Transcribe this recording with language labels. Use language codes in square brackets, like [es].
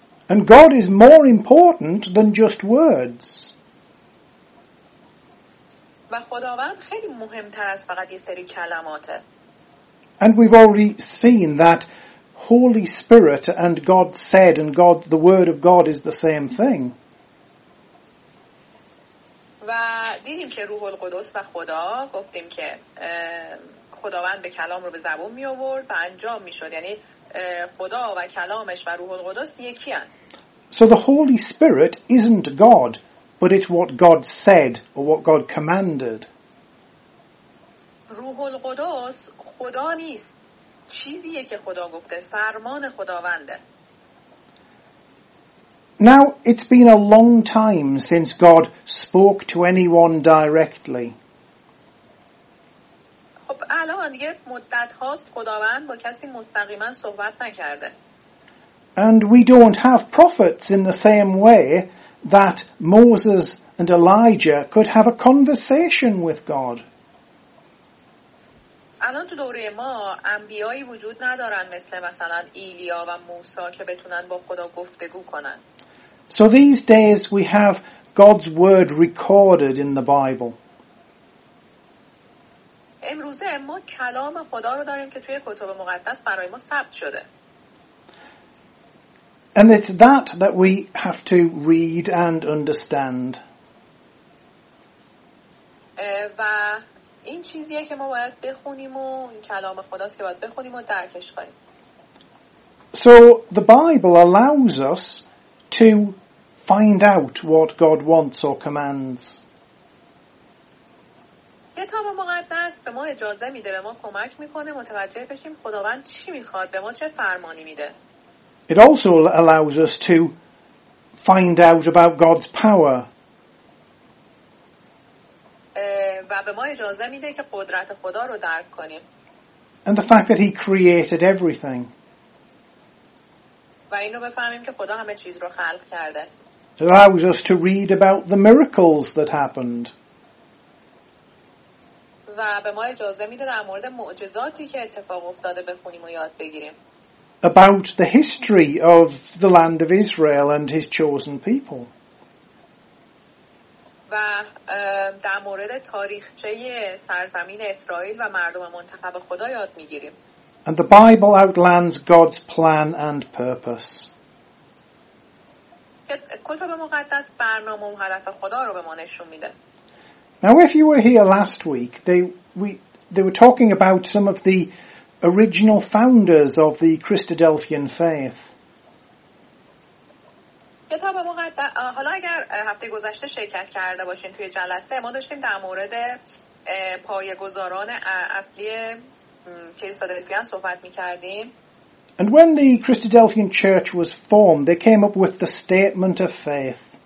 [en] And God is more important than just words. [fa] و خداوند خیلی مهمتر از فقط یه سری کلماته. [en] And we've already seen that Holy Spirit and God said and God the word of God is the same thing. [fa] و دیدیم که روح القدس و خدا، گفتیم که خداوند به کلام رو به زبون می آورد و انجام می شد. یعنی خدا و کلامش و روح القدس یکی هن. [en] So the Holy Spirit isn't God, but it's what God said or what God commanded. [fa] روح القدس خدا نیست. چیزیه که خدا گفته. فرمان خداونده. [en] Now, it's been a long time since God spoke to anyone directly. [fa] خب الان یه مدت هاست خداوند با کسی مستقیما صحبت نکرده. [en] And we don't have prophets in the same way that Moses and Elijah could have a conversation with God. [fa] الان تو دوره ما انبیایی وجود ندارن مثل مثلا ایلیا و موسی که بتونن با خدا گفتگو کنن. [en] So these days we have God's word recorded in the Bible. [fa] امروزه ما کلام خدا رو داریم که توی کتب مقدس برای ما ثبت شده. [en] And it's that that we have to read and understand. [fa] و این چیزیه که ما باید بخونیم و کلام خداست که باید بخونیم و درکش کنیم. [en] So the Bible allows us to find out what God wants or commands. [fa] کتاب مقدس به ما اجازه میده، به ما کمک میکنه متوجه بشیم خداوند چی میخواد، به ما چه فرمانی میده. [en] It also allows us to find out about God's power. [fa] و به ما اجازه میده که قدرت خدا رو درک کنیم. [en] And the fact that he created everything. [fa] و اینو بفهمیم که خدا همه چیز رو خلق کرده. [en] It allows us to read about the miracles that happened. [fa] و به ما اجازه میده در مورد معجزاتی که اتفاق افتاده بخونیم و یاد بگیریم. [en] About the history of the land of Israel and his chosen people. [fa] و در مورد تاریخچه سرزمین اسرائیل و مردم منتخب خدا یاد میگیریم. [en] And the Bible outlines God's plan and purpose. [fa] کتاب مقدس برنامه و هدف خدا رو به ما نشون میده. [en] Now if you were here last week, they were talking about some of the original founders of the Christadelphian faith. [fa] کتاب مقدس حالا اگر هفته گذشته شرکت کرده باشین توی جلسه ما داشتیم در مورد پایه‌گذاران اصلی کریستادلفیان صحبت می‌کردیم. [en] And when the Christadelphian Church was formed, they came up with the statement of faith.